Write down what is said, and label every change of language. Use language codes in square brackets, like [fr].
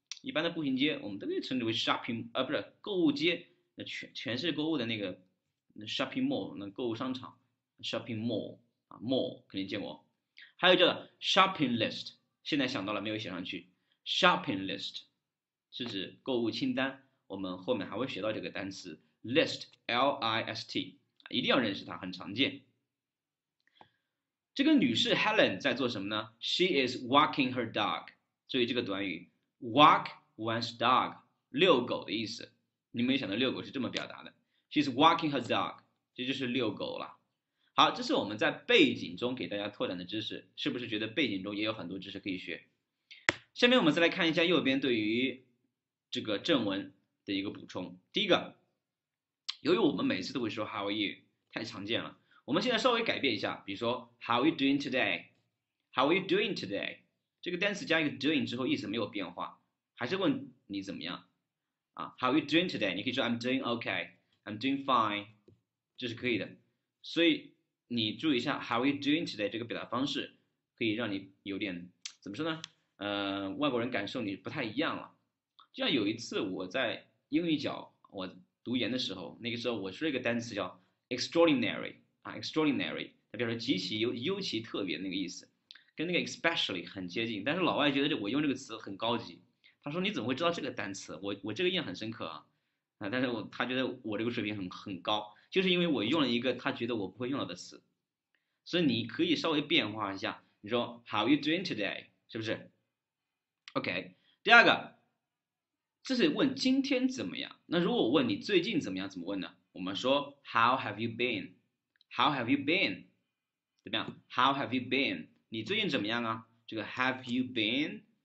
[zh] 一般的步行街，我们都可以称之为 shopping，不是购物街，那全是购物的那个 shopping mall，那购物商场 shopping mall 啊，mall 肯定见过。还有叫 shopping list，现在想到了没有写上去？shopping list 是指购物清单，我们后面还会学到这个单词 list，LIST，一定要认识它，很常见。这个女士 Helen 在做什么呢？ [en] She is walking her dog。 [zh] 注意这个短语 walk。One's dog，遛狗的意思。你没想到遛狗是这么表达的。 [en] She's walking her dog， [zh] 这就是遛狗了。好，这是我们在背景中给大家拓展的知识，是不是觉得背景中也有很多知识可以学？下面我们再来看一下右边对于这个正文的一个补充。第一个，由于我们每次都会说 How are you，太常见了，我们现在稍微改变一下，比如说 [en] How are you doing today？How are you doing today？ [zh] 这个单词加一个 doing 之后，意思没有变化。还是问你怎么样啊？ [en] How are you doing today？ [zh] 你可以说 [en] I'm doing okay，I'm doing fine， [zh] 这是可以的。所以你注意一下 How are you doing today 这个表达方式，可以让你有点怎么说呢？外国人感受你不太一样了。就像有一次我在英语角我读研的时候，那个时候我说一个单词叫 extraordinary 啊，extraordinary，它表示极其尤其特别那个意思，跟那个 especially 很接近，但是老外觉得我用这个词很高级。他说："你怎么会知道这个单词？我这个印象很深刻啊，但是他觉得我这个水平很高，就是因为我用了一个他觉得我不会用到的词。所以你可以稍微变化一下，你说 [en] How are you doing today？ [zh] 是不是？OK。第二个，这是问今天怎么样。那如果我问你最近怎么样，怎么问呢？我们说 [en] How have you been？How have you been？ [zh] 怎么样？ [en] How have you been？ [zh] 你最近怎么样啊？ [en] 这个 Have you been？